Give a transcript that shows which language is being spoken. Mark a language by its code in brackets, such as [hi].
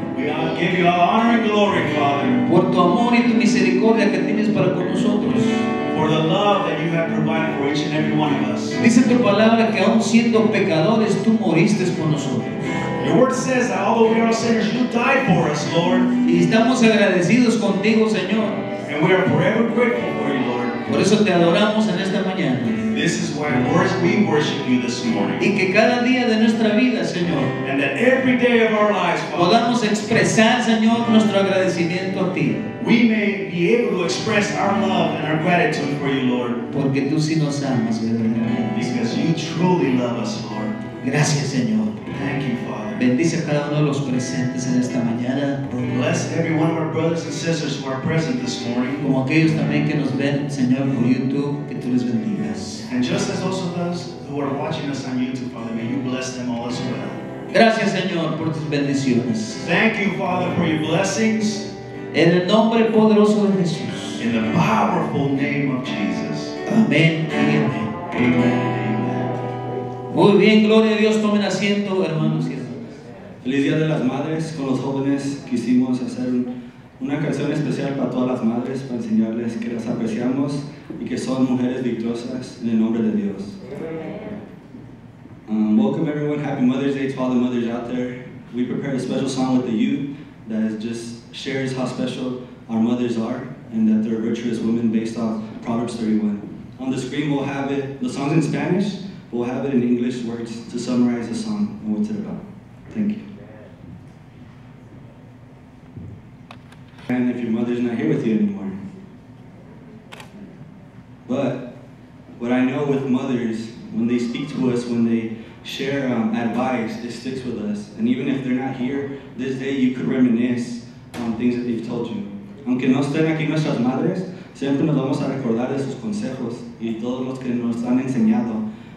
[en] We all give you all honor and glory, Father. [es] Por tu amor y tu misericordia que tienes para con nosotros. [en] For the love that you have provided for each and every one of us. [es] Dice tu palabra que aun siendo pecadores, tú moriste por nosotros. [en] Your word says that although we are sinners, you died for us, Lord. [es] Y estamos agradecidos contigo, Señor. [en] And we are forever grateful for you, Lord. [es] Por eso te adoramos en esta mañana. [en] This is why we worship you this morning. [es] Y que cada día de nuestra vida, Señor, [en] and that every day of our lives, Father, [es] podamos expresar, Señor, nuestro agradecimiento a ti. [en] We may be able to express our love and our gratitude for you, Lord. [es] Porque tú sí nos amas, verdaderamente. [en] Because you truly love us, Lord. [es] Gracias, Señor. [en] Thank you, Father. [es] Bendice a cada uno de los presentes en esta mañana. [en] Bless every one of our brothers and sisters who are present this morning. [es] Como aquellos también que nos ven, Señor, por YouTube, que tú les bendigas. [en] And just as also those who are watching us on YouTube, Father, may you bless them all as well. [es] Gracias, Señor, por tus bendiciones. [en] Thank you, Father, for your blessings. [es] En el nombre poderoso de Jesús. [en] In the powerful name of Jesus. [es] Amén y amén. [en] Amen. Amen. [es] Muy bien, gloria a Dios, tomen asiento, hermanos y hermanas. Feliz Día de las Madres. Con los jóvenes quisimos hacer una canción especial para todas las madres, para enseñarles que las apreciamos y que son mujeres victoriosas en el nombre de Dios. [en] Welcome everyone, happy Mother's Day to all the mothers out there. We prepared a special song with the youth that just shares how special our mothers are and that they're virtuous women based off Proverbs 31. On the screen we'll have it, the song's in Spanish. We'll have it in English words to summarize the song and what's it about. Thank you. And if your mother's not here with you anymore. But what I know with mothers, when they speak to us, when they share advice, it sticks with us. And even if they're not here this day, you could reminisce on things that they've told you. [es] Aunque no estén aquí nuestras madres, siempre nos vamos a recordar de sus consejos y todos los que nos han enseñado.